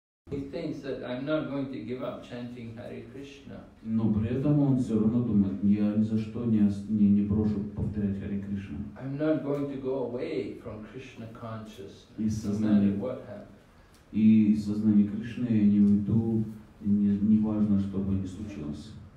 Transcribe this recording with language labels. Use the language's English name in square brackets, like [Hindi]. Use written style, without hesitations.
[English] He thinks that I'm not going to give up chanting Hare Krishna. [Russian] Но при этом он все равно думает, я ни за что не брошу повторять Hare Krishna. [English] I'm not going to go away from Krishna consciousness. [Russian] И сознание, [English] no what happened. [Russian] И сознание Кришны я не уйду, не важно, что бы ни случилось.